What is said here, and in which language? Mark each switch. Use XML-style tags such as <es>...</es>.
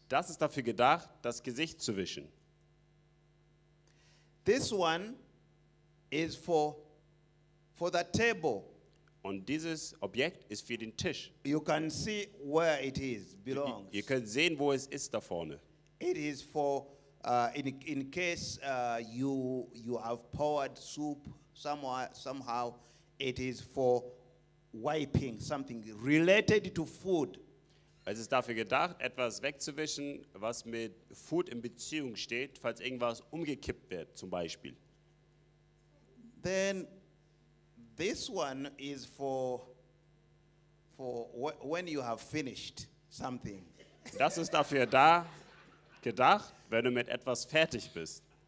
<de>Das ist dafür gedacht, das Gesicht zu wischen.</de> <en>This one is for the table.</en> <de>Und dieses Objekt ist für den Tisch.</de> <en>You can see where it is belongs.</en> <de>Ihr könnt sehen, wo es ist da vorne.</de> <en>It is for in case you have poured soup somehow. It is for wiping something related to food.</en> <de>Es ist dafür gedacht, etwas wegzuwischen, was mit Food in Beziehung steht, falls irgendwas umgekippt wird, zum Beispiel.</de> <en>Then this one is for when you have finished something.</en> <de>Das ist dafür da gedacht, wenn du mit etwas fertig bist.</de>